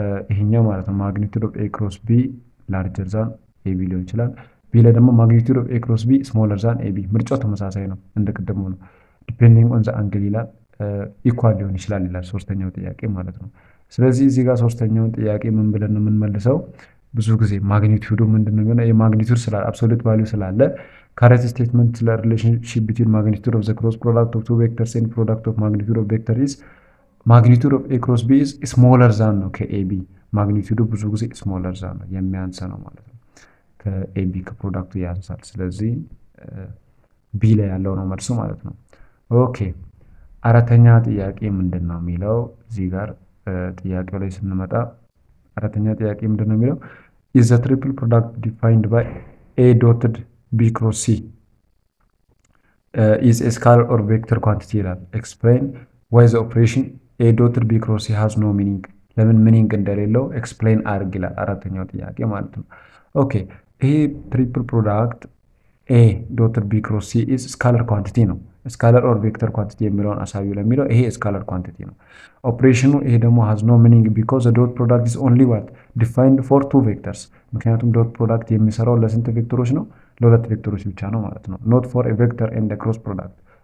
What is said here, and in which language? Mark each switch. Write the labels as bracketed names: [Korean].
[Amharic] ይሄኛው ማለት ነው [English] magnitude of a cross b larger than ab [Amharic] ሊሆን ይችላል። b ላይ ደግሞ magnitude of a cross b smaller than ab ምርጫው ተመሳሳይ ነው እንደቀደመው ነው [English] depending on the angle [Amharic] ይላል equal ሊሆን ይችላል ይላል ሶስተኛው ጥያቄ ማለት ነው። ስለዚህ እዚህ ጋር ሶስተኛው ጥያቄ ምን ብለን ነው የምንመልሰው? ብዙ ጊዜ magnitude ምንድነው የሚሆነው? [English] የmagnitude ስላለ absolute value ስላለ current statement ስለ relationship between magnitude of the cross product of two vectors and product of magnitude of vector is magnitude of a cross b is smaller than no kab magnitude ብዙ ጊዜ smaller than ነው የሚያንሰ ነው ማለት ነው ከab ከproduct ያንሳል። [Amharic] ስለዚህ b ላይ ያለው ነው መልሱ ማለት ነው። ኦኬ አራተኛ ጥያቄ ምንድነው የሚለው? እዚህ ጋር ጥያቄው ላይ ስንመጣ አራተኛ ጥያቄ ምንድነው የሚለው? [English] is the triple product defined by a dotted b cross c is a scalar or vector quantity [Amharic] ይላል. [English] explain why the operation a dotted b cross c has no meaning. ለምን meaning እንደሌለው explain አድርግ [Amharic] ይላል አራተኛው ጥያቄ ማለት ነው። [English] ኦኬ ይሄ triple product a dotted b cross c is scalar quantity ነው scalar or vector quantity የሚለውን አሳዩ ለሚለው ይሄ scalar quantity ነው። operation ይሄ ደግሞ has no meaning because the dot product is only what defined for two vectors. [Amharic] ምክንያቱም dot product የሚሰራው ለስንት ቬክተሮች ነው? ለሁለት ቬክተሮች ብቻ ነው ማለት ነው። [English] not for a vector and the cross product.